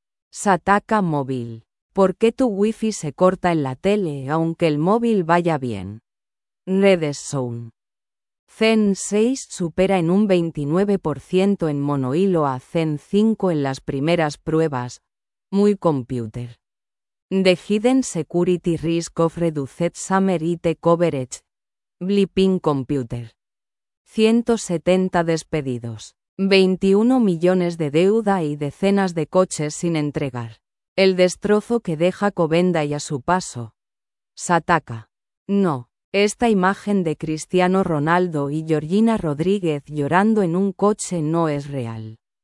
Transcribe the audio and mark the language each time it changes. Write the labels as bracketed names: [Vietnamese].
[Spanish] Sataka Móvil. ¿Por qué tu wifi se corta en la tele aunque el móvil vaya bien? Redes Zone. Zen 6 supera en un 29% en monohilo a Zen 5 en las primeras pruebas. Muy computer. [English] The Hidden Security Risk of Reduced Summer IT Coverage. [Spanish] Blipping Computer. 170 despedidos. 21 millones de deuda y decenas de coches sin entregar. El destrozo que deja Covenda y a su paso. Sataka. No. Esta imagen de Cristiano Ronaldo y Georgina Rodríguez llorando en un coche no es real.